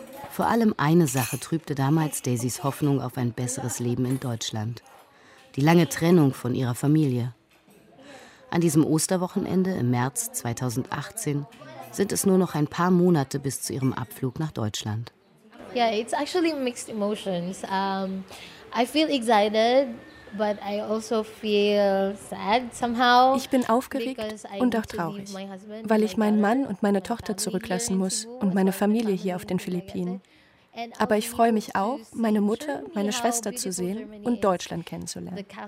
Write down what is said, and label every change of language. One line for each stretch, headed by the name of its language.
German: Vor allem eine Sache trübte damals Daisys Hoffnung auf ein besseres Leben in Deutschland. Die lange Trennung von ihrer Familie. An diesem Osterwochenende im März 2018 sind es nur noch ein paar Monate bis zu ihrem Abflug nach Deutschland.
English: Yeah, it's actually mixed emotions. I feel excited, but I also feel sad somehow.
German: Ich bin aufgeregt und auch traurig, weil ich meinen Mann und meine Tochter zurücklassen muss und meine Familie hier auf den Philippinen. Aber ich freue mich auch, meine Mutter, meine Schwester zu sehen und Deutschland kennenzulernen.